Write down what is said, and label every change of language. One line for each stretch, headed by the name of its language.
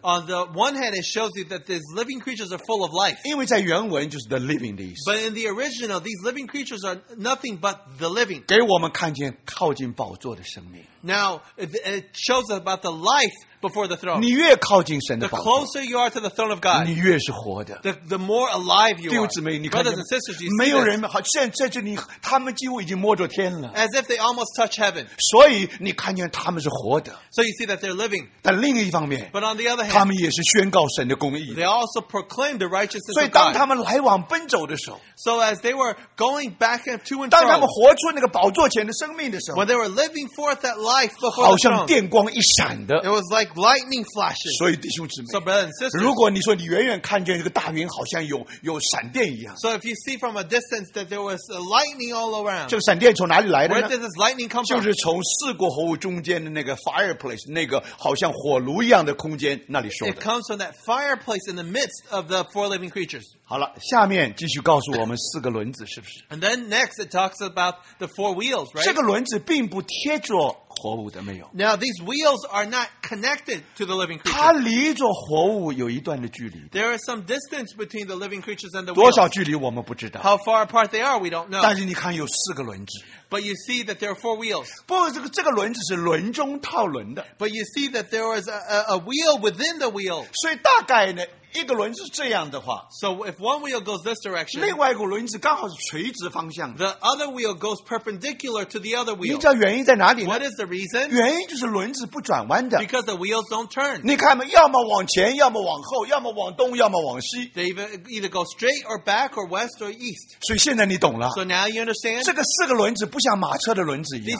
English: On the one hand it shows you that these living creatures are full of life
Chinese: 因为在原文就是
English: the living
Chinese: 的意思
English: But in the original these living creatures are nothing but the living
Chinese: 给我们看见靠近宝座的生命
English: Now it shows about the life before the throne
Chinese: 你越靠近神的宝座
English: The closer you are to the throne of God
Chinese: 你越是活的
English: The more alive you are
Chinese: 弟兄姊妹你看
English: Brothers and sisters you see
Chinese: 没有人现在这里他们几乎已经摸着天了
English: As if they almost touch heaven
Chinese: 所以你看见他们是活的
English: So you see that they're living
Chinese: 但另一方面
English: But on the other hand
Chinese: 他们也是宣告神的公义
English: They also proclaim the righteousness of God
Chinese: 所以当他们来往奔走的时候
English: So as they were going back and to and fro
Chinese: 当他们活出那个宝座前的生命的时候
English: When they were living forth that life before the throne
Chinese: 好像电光一闪的
English: It was like lightning flashes
Chinese: 所以弟兄姊妹
English: So brothers and sisters
Chinese: 如果你说你远远看见这个大云好像有闪电一样
English: So if you see from a distance that there was lightning all around
Chinese: 这个闪电从哪里来的呢
English: Where did this lightning come from?
Chinese: 就是从四国火物中间的那个 fireplace 那个好像火炉一样的空间那里说的
English: It comes from that fireplace in the midst of the four living creatures
Chinese: 好了下面继续告诉我们四个轮子是不是
English: And then next it talks about the four wheels right?
Chinese: 这个轮子并不贴着活物的没有
English: Now these wheels are not connected to the living creatures
Chinese: 它离着活物有一段的距离
English: There is some distance between the living creatures and the
Chinese: wheels 多少距离我们不知道
English: How far apart they are we don't know
Chinese: 但是你看有四个轮子
English: But you see that there are four wheels.
Chinese: 不过这个轮子是轮中套轮的。
English: But you see that there is a wheel within the wheel.
Chinese: 所以大概呢，一个轮子是这样的话。
English: So if one wheel goes this direction,
Chinese: 另外一个轮子刚好是垂直方向。
English: The other wheel goes perpendicular to the other wheel.
Chinese: 你知道原因在哪里呢？
English: What is the reason?
Chinese: 原因就是轮子不转弯的。
English: Because the wheels don't turn.
Chinese: 你看嘛，要么往前，要么往后，要么往东，要么往西。
English: They either go straight or back or west or east.
Chinese: 所以现在你懂了。
English: So now you understand?
Chinese: 这个四个轮子不像马车的轮子一样。